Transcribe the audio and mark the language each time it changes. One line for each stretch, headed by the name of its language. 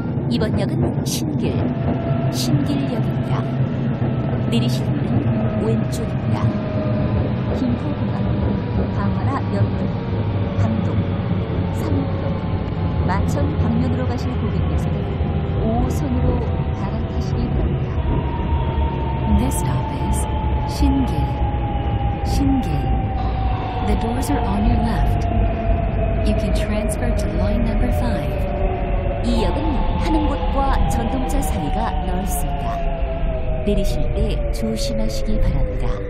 Korean: 이번 역은 신길, 신길역입니다. 내리실 문은 왼쪽입니다. 김포공항, 방화라 면동, 방동, 삼목동, 마천 방면으로 가실 고객께서는 5호선으로 갈아타시기 바랍니다.
English: This stop is 신길, 신길. The doors are on your left. You can transfer to line number 5.
Korean: 이 역은 타는 곳과 전동차 사이가 넓습니다. 내리실 때 조심하시기 바랍니다.